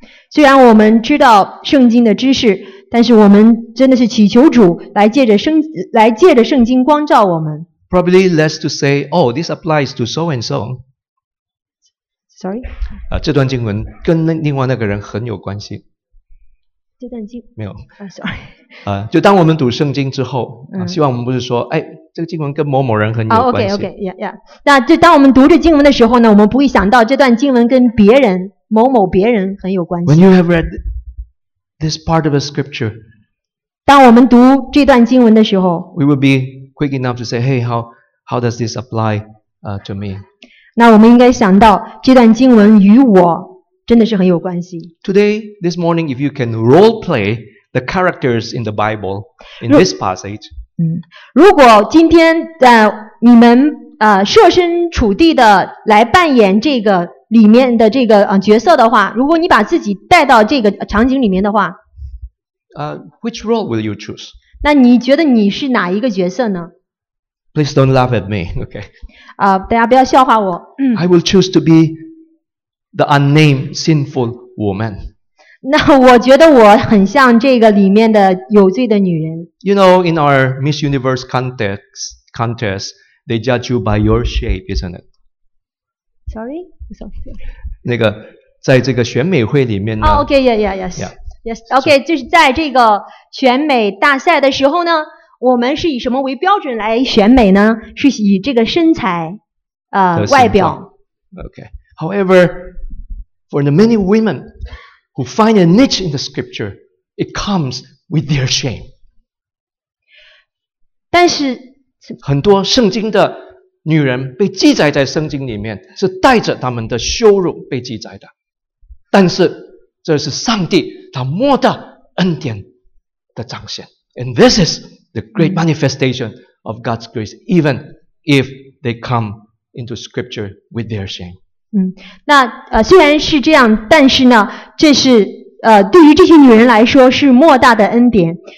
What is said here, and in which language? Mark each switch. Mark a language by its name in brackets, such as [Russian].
[Chinese] 虽然我们知道圣经的知识，但是我们真的是祈求主来借着圣经光照我们。 [English] Probably less to say, oh, this applies to so and so. Sorry. [Chinese] 这段经文跟另外那个人很有关系。这段经没有。 [English] Sorry. [Chinese] 就当我们读圣经之后，希望我们不是说，哎，这个经文跟某某人很有关系。那就当我们读这经文的时候呢，我们不会想到这段经文跟别人某某别人很有关系。 [English] When you have read this part of a scripture, [Chinese] 当我们读这段经文的时候， [English] we will be quick enough to say, hey, how does this apply to me? [Chinese] 那我们应该想到这段经文与我真的是很有关系。 [English] Today, this morning, if you can role play the characters in the Bible in this passage, [Chinese] 如果今天你们设身处地的来扮演这个里面的这个角色的话，如果你把自己带到这个场景里面的话， [English] which role will you choose? [Chinese] 那你觉得你是哪一个角色呢？ [English] Please don't laugh at me, okay? [Chinese] 大家不要笑话我。 [English] I will choose to be the unnamed sinful woman. [Chinese] 那我觉得我很像这个里面的有罪的女人。 [English] You know, in our Miss Universe contest, they judge you by your shape, isn't it? Sorry? [Chinese] 那个，在这个选美会里面呢、，就是在这个选美大赛的时候呢，我们是以什么为标准来选美呢？是以这个身材，外表。 [English] Okay. However, for the many women who find a niche in the scripture, it comes with their shame. [Chinese] 但是很多圣经的女人被记载在圣经里面，是带着他们的羞辱被记载的。但是这是上帝他莫大恩典的彰显。 [English] And this is the great manifestation of God's grace, even if they come into scripture with their shame. [Chinese] 那虽然是这样，但是呢，这是对于这些女人来说是莫大的恩典。